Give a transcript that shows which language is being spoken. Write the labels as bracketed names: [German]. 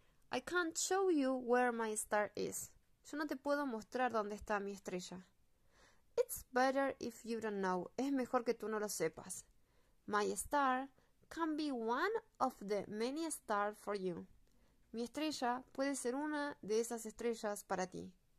[English] I can't show you where my star is. [Spanish] Yo no te puedo mostrar dónde está mi estrella. [English] It's better if you don't know. [Spanish] Es mejor que tú no lo sepas. [English] My star can be one of the many stars for you. [Spanish] Mi estrella puede ser una de esas estrellas para ti.